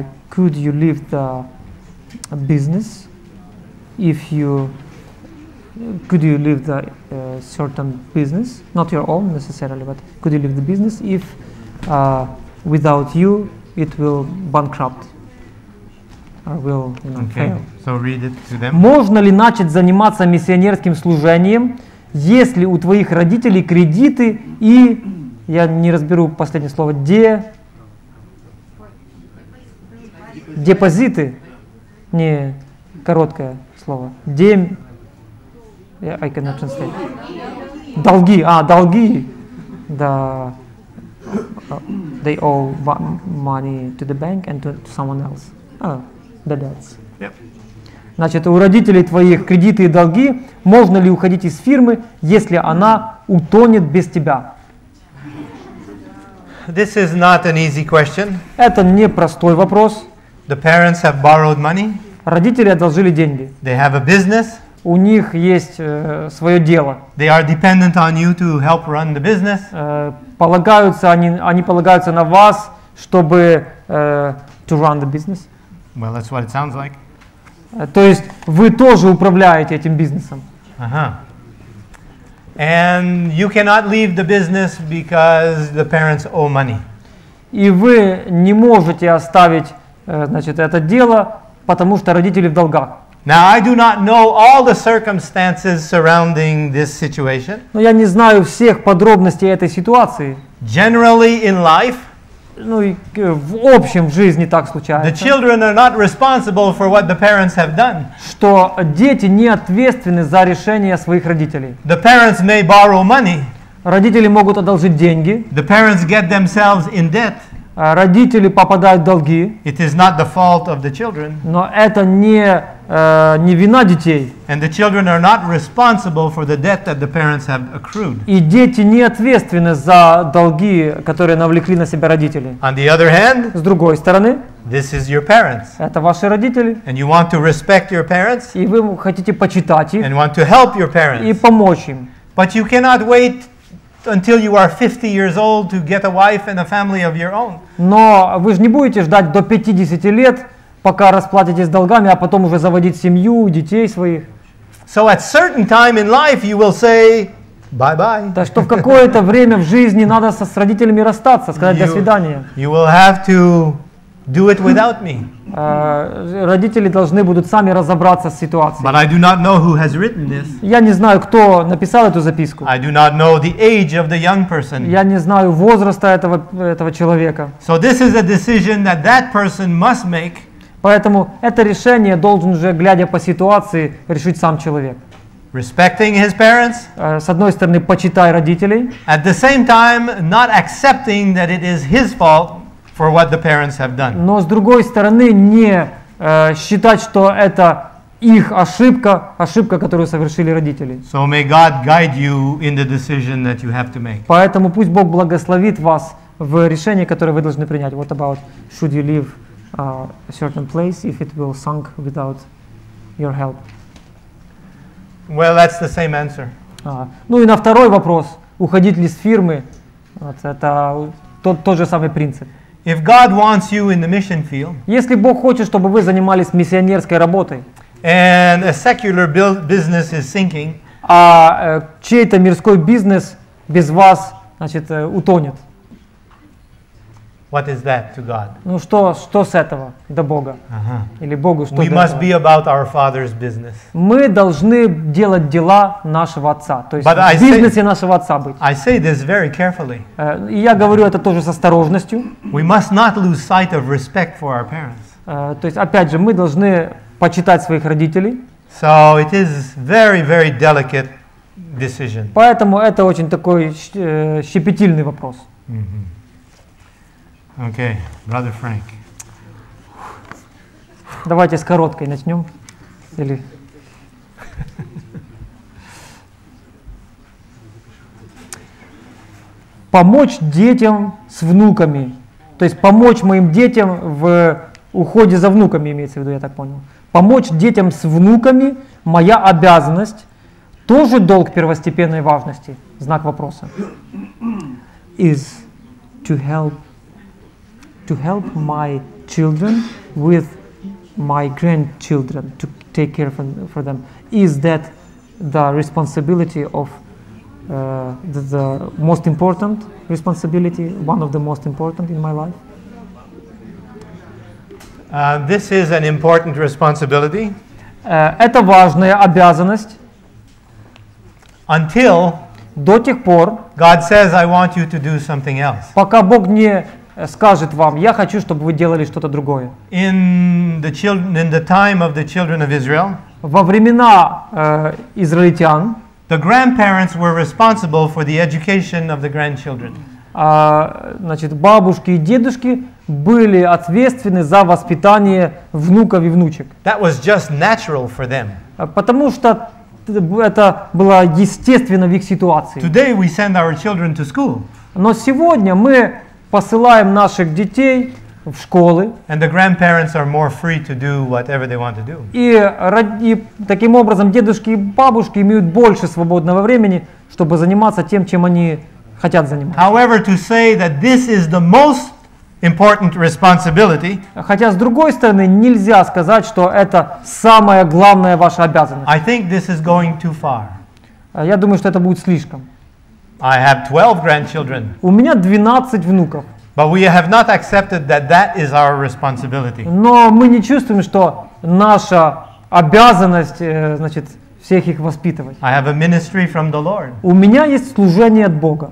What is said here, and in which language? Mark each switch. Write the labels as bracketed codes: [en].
[en] Could you leave the business if you could you leave the certain business, not your own necessarily, but could you leave the business if without you it will bankrupt or will fail? So read it to them. [ru] Можно ли начать заниматься миссионерским служением, если у твоих родителей кредиты и я не разберу последнее слово депозиты, не короткое слово [en] Yeah, I cannot translate. [ru] Долги, долги. [en] They owe money to the bank and to someone else. The debts. Yep. [ru] Значит, у родителей твоих кредиты и долги, можно ли уходить из фирмы, если она утонет без тебя? [en] This is not an easy question. [ru] Это не простой вопрос. [en] The parents have borrowed money. [ru] Родители одолжили деньги. [en] They have a business. [ru] У них есть свое дело. [en] They are dependent on you to help run the business. [ru] Полагаются они полагаются на вас, чтобы [en] to run the business. Well, that's what it sounds like. [ru] То есть вы тоже управляете этим бизнесом. [en] And you cannot leave the business because the parents owe money. [ru] И вы не можете оставить, значит, это дело, потому что родители в долгах. [en] Now I do not know all the circumstances surrounding this situation. [ru] Но я не знаю всех подробностей этой ситуации. [en] Generally in life, [ru] ну и в общем в жизни так случается. [en] The children are not responsible for what the parents have done. [ru] Что дети не ответственны за решения своих родителей. [en] The parents may borrow money. [ru] Родители могут одолжить деньги. [en] The parents get themselves in debt. [ru] Родители попадают в долги. [en] It is not the fault of the children. [ru] Но это не не вина детей. [en] And the children are not responsible for the debt that the parents have accrued. [ru] И дети не ответственны за долги, которые навлекли на себя родители. [en] On the other hand, [ru] с другой стороны, [en] this is your parents. [ru] Это ваши родители. [en] And you want to respect your parents. [ru] И вы хотите почитать их. [en] And want to help your parents. [ru] И помочь им. [en] But you cannot wait until you are 50 years old to get a wife and a family of your own. [ru] Но вы же не будете ждать до 50 лет, пока расплатитесь долгами, а потом уже заводить семью, детей своих. [en] So at certain time in life you will say bye-bye. [ru] Так что в какое-то время в жизни надо со с родителями расстаться, сказать до свидания. [en] You will have to do it without me. [ru] Родители должны будут сами разобраться с ситуацией. [en] But I do not know who has written this. [ru] Я не знаю, кто написал эту записку. [en] I do not know the age of the young person. [ru] Я не знаю возраста этого человека. [en] So this is a decision that that person must make. [ru] Поэтому это решение должен уже, глядя по ситуации, решить сам человек. [en] Respecting his parents. [ru] С одной стороны, почитай родителей. [en] At the same time, not accepting that it is his fault for what the parents have done. [ru] Но с другой стороны, не считать, что это их ошибка, которую совершили родители. [en] So may God guide you in the decision that you have to make. [ru] Поэтому пусть Бог благословит вас в решении, которое вы должны принять. [en] What about should you leave a certain place if it will sink without your help? Well, that's the same answer. [ru] Ну и на второй вопрос, уходить ли с фирмы, вот это тот же самый принцип. [en] If God wants you in the mission field, [ru] если Бог хочет, чтобы вы занимались миссионерской работой, [en] and a secular business is sinking, [ru] а чей-то мирской бизнес без вас, значит, утонет. [en] What is that to God? [ru] Ну что с этого до Бога? Или Богу что [en] We must be about our father's business. [ru] Мы должны делать дела нашего отца, то есть But в бизнесе нашего отца быть. [en] I say this very carefully. [ru] Я говорю это тоже с осторожностью. [en] We must not lose sight of respect for our parents. [ru] То есть опять же мы должны почитать своих родителей. [en] So it is very, very delicate decision. [ru] Поэтому это очень такой щепетильный вопрос. [en] Mm-hmm. Okay, brother Frank. [ru] Давайте с короткой начнем. Или... помочь детям с внуками. То есть помочь моим детям в уходе за внуками, имеется в виду, я так понял. Помочь детям с внуками – моя обязанность. Тоже долг первостепенной важности? Знак вопроса. [en] Is to help my children with my grandchildren, to take care for them. Is that the responsibility of the most important responsibility, one of the most important in my life? This is an important responsibility. [ru] Это важная обязанность. [en] Until [ru] до тех пор [en] God says, I want you to do something else. [ru] Пока Бог не скажет вам, я хочу, чтобы вы делали что-то другое. [en] In the time of the children of Israel, [ru] во времена израильтян, [en] the grandparents were responsible for the education of the grandchildren. [ru] Значит, бабушки и дедушки были ответственны за воспитание внуков и внучек. [en] That was just natural for them. [ru] Потому что это было естественно в их ситуации. [en] Today we send our children to school. [ru] Но сегодня мы посылаем наших детей в школы. [en] And the grandparents are more free to do whatever they want to do. [ru] И таким образом дедушки и бабушки имеют больше свободного времени, чтобы заниматься тем, чем они хотят заниматься. [en] However, to say that this is the most important responsibility. [ru] Хотя с другой стороны нельзя сказать, что это самая главная ваша обязанность. [en] I think this is going too far. [ru] Я думаю, что это будет слишком. [en] I have 12 grandchildren. [ru] У меня 12 внуков. [en] But we have not accepted that that is our responsibility. [ru] Но мы не чувствуем, что наша обязанность, значит, всех их воспитывать. [en] I have a ministry from the Lord. [ru] У меня есть служение от Бога.